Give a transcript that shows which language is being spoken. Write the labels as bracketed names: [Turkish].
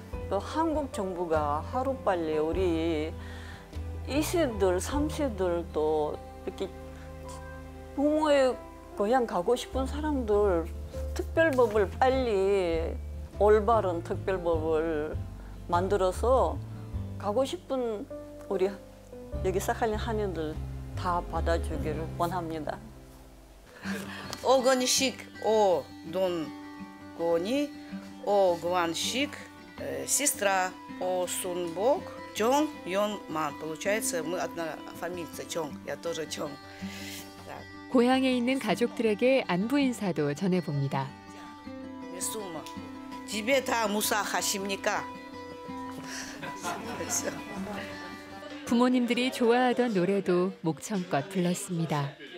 [Korean] 또 한국 정부가 하루빨리 우리 20대들, 30대들도 이렇게 부모의 고향 가고 싶은 사람들 특별법을 빨리 올바른 특별법을 만들어서 가고 싶은 우리 여기 사칼린 한인들 다 받아주기를 원합니다. [Russian] 오건식 오돈고니 오관식 сестра О Сунбок Чонг Ён Ман. Получается, мы одна фамилия Чонг. Я тоже Чонг. [Korean] 고향에 있는 가족들에게 안부 인사도 전해 봅니다. 미수마. 집에 다 무사하십니까? 부모님들이 좋아하던 노래도 목청껏 불렀습니다.